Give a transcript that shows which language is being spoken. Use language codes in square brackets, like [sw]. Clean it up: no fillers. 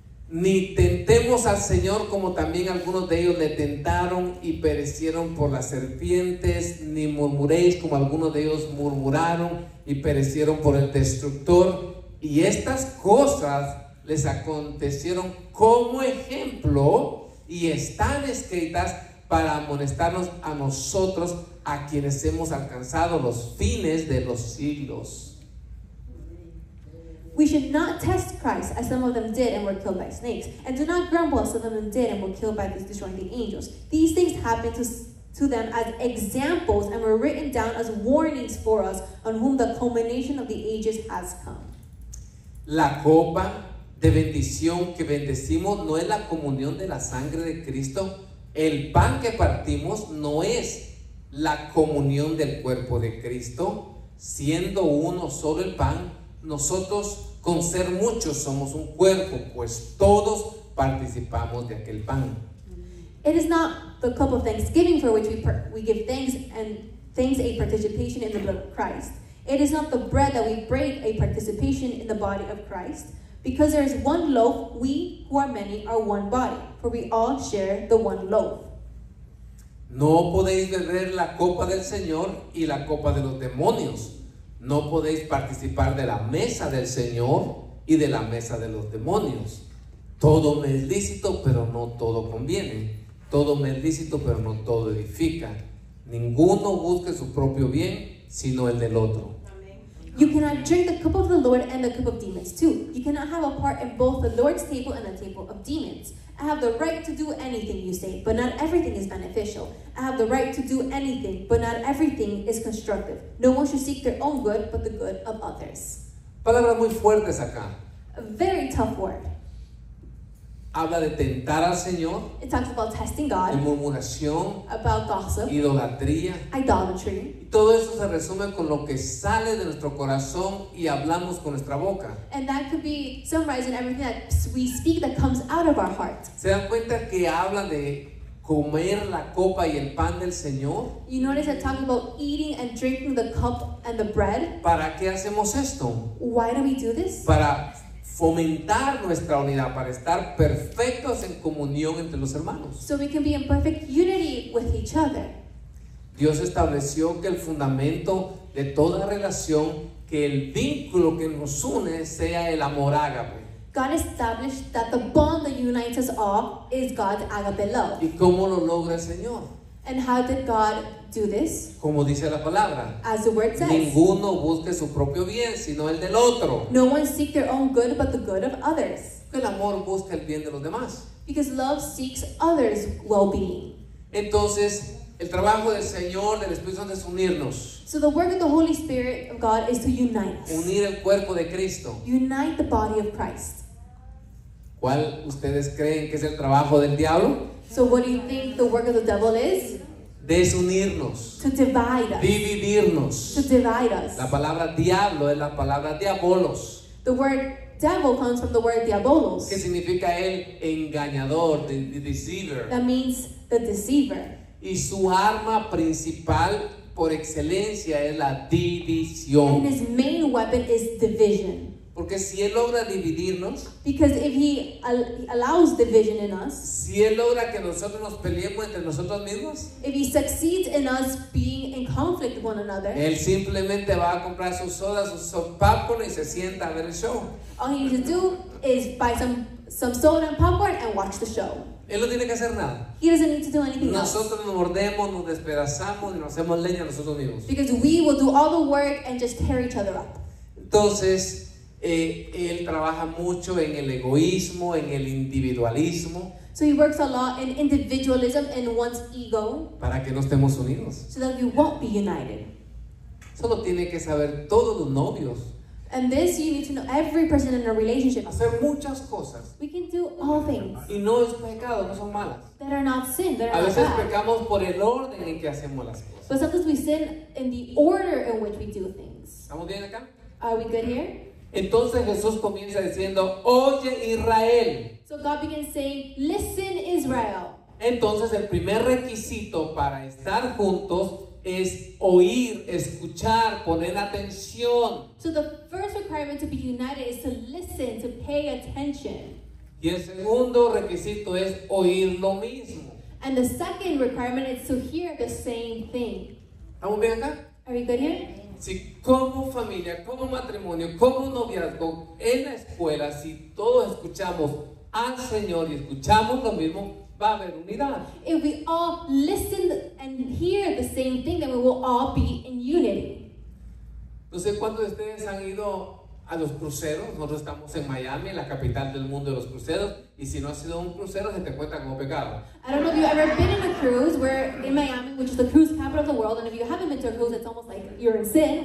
[es] Ni tentemos al Señor como también algunos de ellos le tentaron y perecieron por las serpientes, ni murmuréis como algunos de ellos murmuraron y perecieron por el destructor. Y estas cosas les acontecieron como ejemplo y están escritas para amonestarnos a nosotros, a quienes hemos alcanzado los fines de los siglos. [en] We should not test Christ as some of them did and were killed by snakes, and do not grumble as some of them did and were killed by these disjointed angels. These things happened to them as examples and were written down as warnings for us, on whom the culmination of the ages has come. [es] La copa de bendición que bendecimos no es la comunión de la sangre de Cristo. El pan que partimos no es la comunión del cuerpo de Cristo. Siendo uno solo el pan, nosotros con ser muchos somos un cuerpo, pues todos participamos de aquel pan. [en] It is not the cup of thanksgiving for which we give thanks, and thanks a participation in the blood of Christ. It is not the bread that we break, a participation in the body of Christ. Because there is one loaf, we who are many are one body, for we all share the one loaf. [es] No podéis beber la copa del Señor y la copa de los demonios. No podéis participar de la mesa del Señor y de la mesa de los demonios. Todo me es lícito, pero no todo conviene. Todo me es lícito, pero no todo edifica. Ninguno busque su propio bien, sino el del otro. [en] You cannot drink the cup of the Lord and the cup of demons too. You cannot have a part in both the Lord's table and the table of demons. I have the right to do anything, you say, but not everything is beneficial. I have the right to do anything, but not everything is constructive. No one should seek their own good, but the good of others. [es] Palabras muy fuertes acá. [en] A very tough word. [es] Habla de tentar al Señor. [en] It talks about testing God. [es] De murmuración. [en] About gossip. [es] Idolatría. [en] Idolatry. [es] Y todo eso se resume con lo que sale de nuestro corazón y hablamos con nuestra boca. [en] And that could be summarized in everything that we speak that comes out of our heart. [es] ¿Se dan cuenta que habla de comer la copa y el pan del Señor? [en] You notice it talks about eating and drinking the cup and the bread. [es] ¿Para qué hacemos esto? [en] Why do we do this? [es] Para fomentar nuestra unidad, para estar perfectos en comunión entre los hermanos. [en] So we can be in perfect unity with each other. [es] Dios estableció que el fundamento de toda relación, que el vínculo que nos une, sea el amor ágape. [en] God established that the bond that unites us all is God's agape love. [es] ¿Y cómo lo logra el Señor? [en] And how did God do this? [es] Como dice la palabra. [en] As the word says. [es] Ninguno busque su propio bien, sino el del otro. [en] No one seek their own good, but the good of others. [es] Porque el amor busca el bien de los demás. [en] Because love seeks others' well-being. [es] Entonces, el trabajo del Señor, del Espíritu Santo, es unirnos. [en] So the work of the Holy Spirit of God is to unite us. [es] Unir el cuerpo de Cristo. [en] Unite the body of Christ. [es] ¿Cuál ustedes creen que es el trabajo del diablo? [en] So what do you think the work of the devil is? [es] Desunirnos. [en] To divide us. [es] Dividirnos. [en] To divide us. [es] La palabra diablo es la palabra diabolos. [en] The word devil comes from the word diabolos. [es] ¿Qué significa el engañador, [en] the deceiver? That means the deceiver. [es] Y su arma principal por excelencia es la división. [en] And his main weapon is division. [es] Porque si él logra dividirnos, [en] because if he allows division in us, [es] si él logra que nosotros nos peleemos entre nosotros mismos, [en] if he succeeds in us being in conflict with one another, [es] él simplemente va a comprar sus sodas, sus popcorn y se sienta a ver el show. [en] All he needs to do is buy some soda and popcorn and watch the show. [es] Él no tiene que hacer nada. [en] He doesn't need to do anything [es] nosotros [en] else. [es] Nosotros nos mordemos, nos despedazamos y nos hacemos leña nosotros mismos. [en] Because we will do all the work and just tear each other up. [es] Entonces, él trabaja mucho en el egoísmo, en el individualismo. [en] So he works a lot in individualism and one's ego. [es] Para que no estemos unidos. [en] So that we won't be united. [es] Solo tiene que saber todos los novios. [en] And this you need to know every person in a relationship. [es] Hacer muchas cosas. [en] We can do all things. [es] Y no es pecado, no son malas. [en] That are not sin, that are [es] a [en] not [es] veces [en] bad. [es] Pecamos por el orden en que hacemos las cosas. [en] But sometimes we sin in the order in which we do things. [es] ¿Estamos bien acá? [en] Are we good here? [es] Entonces Jesús comienza diciendo, oye Israel. [en] So God begins saying, listen Israel. [es] Entonces el primer requisito para estar juntos es oír, escuchar, poner atención. [en] So the first requirement to be united is to listen, to pay attention. [es] Y el segundo requisito es oír lo mismo. [en] And the second requirement is to hear the same thing. [es] ¿Estamos bien acá? [en] Are we good here? [es] Si como familia, como matrimonio, como noviazgo, en la escuela, si todos escuchamos al Señor y escuchamos lo mismo, va a haber unidad. [en] If we all listen and hear the same thing, then we will all be in unity. [es] No sé cuántos de ustedes han ido a los cruceros. Nosotros estamos en Miami, la capital del mundo de los cruceros. Y si no has sido un crucero, se te cuenta como pecado. [en] I don't know if you've ever been in a cruise. We're in Miami, which is the cruise capital of the world. And if you haven't been to a cruise, it's almost like you're in sin.